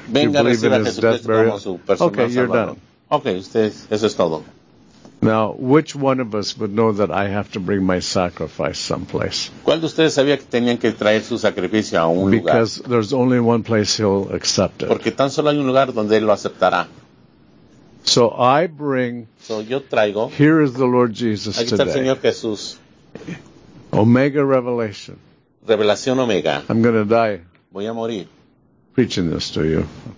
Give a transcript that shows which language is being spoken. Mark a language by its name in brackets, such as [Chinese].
[Spanish] Venga, recibe a Jesucristo como su personal Salvador. [English] Okay, you're done. [Spanish] Okay, ustedes, eso es todo. [English] Now, which one of us would know that I have to bring my sacrifice someplace? [Spanish] ¿Cuál de ustedes sabía que tenían que traer su sacrificio a un lugar? [English] Because there's only one place he'll accept it. [Spanish] Porque tan solo hay un lugar donde él lo aceptará. [English] So I bring. [Spanish] So yo traigo. [English] Here is the Lord Jesus [Spanish] aquí está [English] today. [Spanish] El Señor Jesús. [English] Omega Revelation. [Spanish] Revelación Omega. [English] I'm going to die. [Spanish] Voy a morir. [English] Preaching this to you.